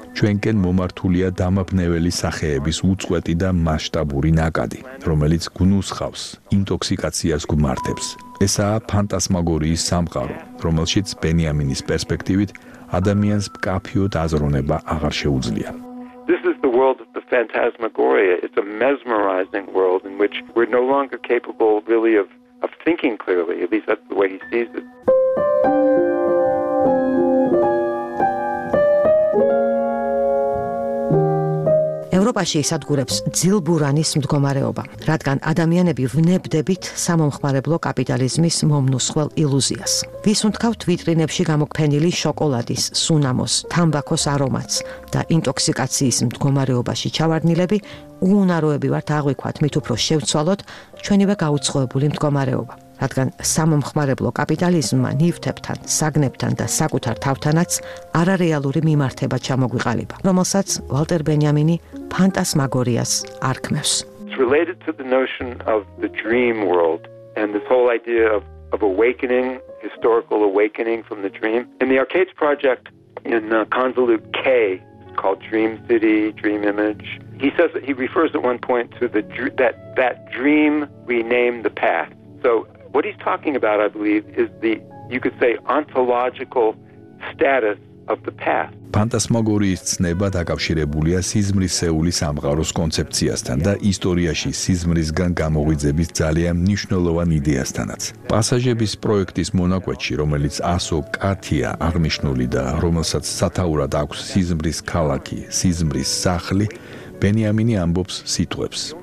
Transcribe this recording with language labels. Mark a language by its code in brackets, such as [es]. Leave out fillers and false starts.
[ka] ჩვენკენ მომართულია დამაბნეველი სახეების უწყვეტი და მასშტაბური ნაკადი, რომელიც გნუსხავს, ინტოქსიკაციას გმართებს. ესაა ფანტასმაგორიის სამყარო, რომელშიც ბენიამინის პერსპექტივით ადამიანს მკაფიოდ აზროვნება აღარ შეუძლია. [en] This is the world of the phantasmagoria. It's a mesmerizing world in which we're no longer capable really of thinking clearly, at least that's the way he sees it. [ka] ევროპაში ისადგურებს ძილბურანის მდგომარეობა, რადგან ადამიანები ვნებდებით სამომხმარებლო კაპიტალიზმის მომნუსხველ ილუზიას. ვის უნთქავთ ვიტრინებში გამოქფენილი შოკოლადის, სუნამოს, თამბაქოს არომატს და ინტოქსიკაციის მდგომარეობაში ჩავარდნილები, უუნაროები ვართ აღვიქვათ მით უფრო შევცვალოთ ჩვენივე გაუცხოებული მდგომარეობა. რადგან სამომხმარებლო კაპიტალიზმმა ნივთებთან, საგნებთან და საკუთარ თავთანაც არარეალური მიმართება ჩამოგვიყალიბა, რომელსაც ვალტერ ბენიამინი ფანტასმაგორიას არქმევს. [en] It's related to the notion of the dream world and this whole idea of awakening, historical awakening from the dream. In the Arcades project in convolute K called Dream City, Dream Image, he says that he refers at one point to the that dream we name the past. So what he's talking about, I believe, is the, you could say, ontological status of the past. [ka] ფანტასმაგორიის ცნება დაკავშირებულია სიზმრისეული სამყაროს კონცეფციასთან და ისტორიაში სიზმრისგან გამოღვიძების ძალიან მნიშვნელოვან იდეასთანაც. პასაჟების პროექტის მონაკვეთში, რომელიც ასო კათია აღნიშნული და რომელსაც სათაურად აქვს სიზმრის ქალაქი, სიზმრის სახლი, ბენიამინი ამბობს სიტყვებს.